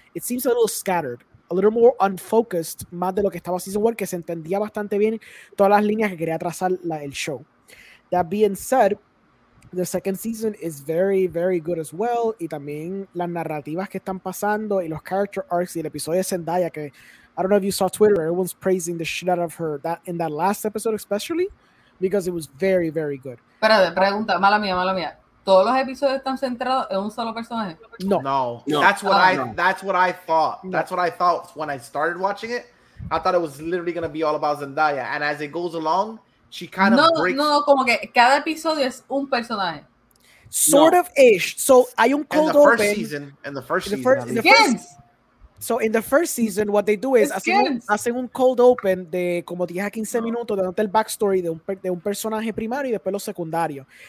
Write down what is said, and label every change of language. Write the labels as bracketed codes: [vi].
[en] It seems a little scattered, a little more unfocused, [es] más de lo que estaba season one, que se entendía bastante bien todas las líneas que quería trazar el show. [en] That being said, the second season is very, very good as well. [es] Y también las narrativas que están pasando y los character arcs y el episodio de Zendaya, que [en] I don't know if you saw Twitter, everyone's praising the shit out of her that in that last episode especially, because it was very, very good. [es] Espérate, pregunta, mala mía. todos los episodios están centrados en un solo personaje. No. [en] That's what I thought when I started watching it. I thought it was literally going to be all about Zendaya, and as it goes along, she kind of breaks. [es] No, como que cada episodio es un personaje. [en] Sort of ish. So [es] hay un [en] cold open. In the first season. In the first season, what they do is [es] hacen un cold open de como 10 a 15 minutos dando el backstory de un personaje primario y después los secundarios.